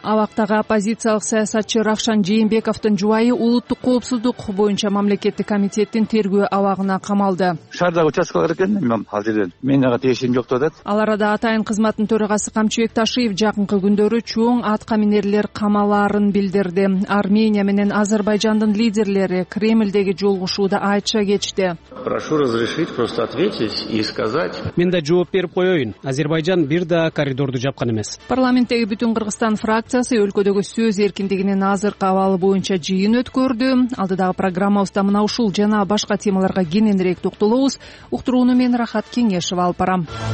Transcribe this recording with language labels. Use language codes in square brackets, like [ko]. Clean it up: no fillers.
[ky] Абактагы оппозициялык саясатчы Ракшан Жээнбековдун жубайы улуттук коопсуздук боюнча мамлекеттик комитеттин тергөө абагына камалды. Шаардагы участкалар экен, мен ал жерден мен ага тиешим жок деп айтат. Ал арада атайын кызматтын төрагасы Камчыбек Ташиев жакынкы күндөрү чоң атка минерлер камаларын билдирди. Армения менен Азербайджандын лидерлери Кремлдеги жолугушууда айтыша кетишти. [ru] Прошу разрешить просто ответить и сказать. [ky] Мен да жооп берип коёюн. Азербайджан бир да коридорду жапкан эмес. Парламент Бүтүн Кыргызстан фракциясы өлкөдөгү сөз эркиндигинин азыркы абалы боюнча жыйын өткөрдү. Алдыдагы программабызда мына ушул жана башка темаларга кененирээк токтолобуз. Уктурууну мен Рахат Кеңешов алып барам.